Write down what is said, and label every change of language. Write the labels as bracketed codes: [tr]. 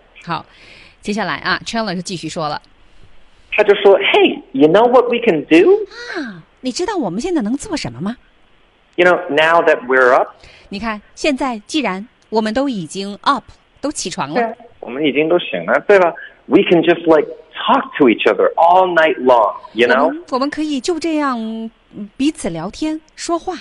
[zh] 好，接下来啊 ，Challenge 继续说了。他就说 [en] Hey, you know what we can do? [zh] 你知道我们现在能做什么吗？ [en] You know, now that we're up. [zh] 你看现在既然我们都已经 up, 都起床了。对，我们已经都醒了，对吧？ [en] We can just like talk to each other all night long, you know? [zh] 我们可以就这样彼此聊天说话。